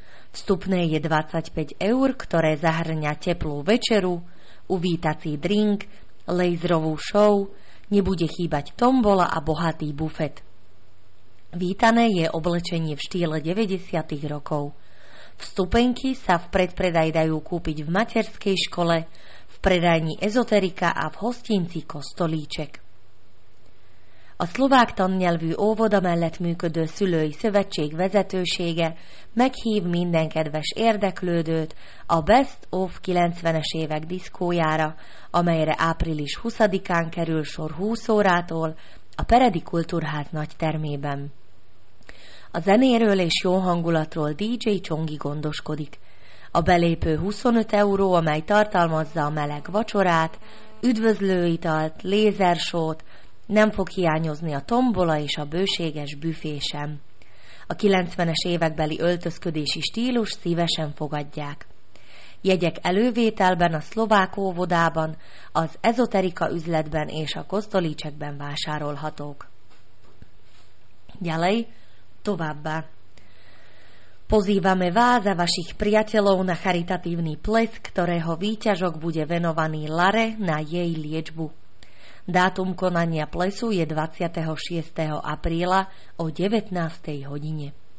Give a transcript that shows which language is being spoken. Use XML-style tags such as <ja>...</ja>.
<sk>Vstupné je 25 eur, ktoré zahrňa teplú večeru, uvítací drink, laserovú show, nebude chýbať tombola a bohatý bufet. Vítané je oblečenie v štýle 90. rokov. Vstupenky sa v predpredaj dajú kúpiť v materskej škole, v predajni Ezoterika a v hostinci Kostolíček.</sk> <hu>A szlovák tannyelvű óvoda mellett működő szülői szövetség vezetősége meghív minden kedves érdeklődőt a Best of 90-es évek diszkójára, amelyre április 20-án kerül sor 20 órától a Peredi Kultúrház nagy termében. A zenéről és jó hangulatról DJ Csongi gondoskodik. A belépő 25 euró, amely tartalmazza a meleg vacsorát, üdvözlőitalt, lézersót, nem fog hiányozni a tombola és a bőséges büfé sem. A 90-es évekbeli öltözködési stílus szívesen fogadják. Jegyek elővételben a szlovák óvodában, az Ezoterika üzletben és a Kostolíčekben vásárolhatók.</hu> <sk>Ďalej,</sk> <hu>továbbá.</hu> <sk>Pozývame vás a vašich priateľov na charitatívny ples, ktorého výťažok bude venovaný Lare na jej liečbu. Dátum konania plesu je 26. apríla o 19. hodine.</sk>